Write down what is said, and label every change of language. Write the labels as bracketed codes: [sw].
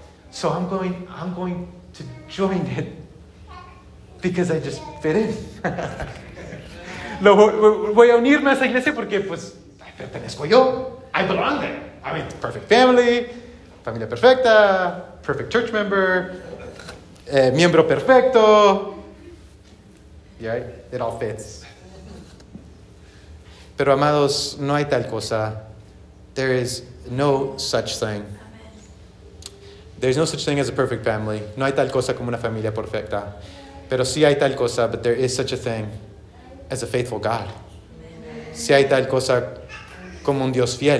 [en] So I'm going to join it because I just fit in. [es] Voy a unirme a esa iglesia porque pues pertenezco yo. [en] I belong there. I mean, perfect family, [es] familia perfecta, [en] perfect church member, [es] miembro perfecto. [en] Yeah, it all fits. [es] Pero amados, no hay tal cosa. [en] There is no such thing. Amen. There is no such thing as a perfect family. [es] No hay tal cosa como una familia perfecta. Pero sí hay tal cosa, [en] but there is such a thing as a faithful God. Amen. [es] Sí hay tal cosa como un Dios fiel.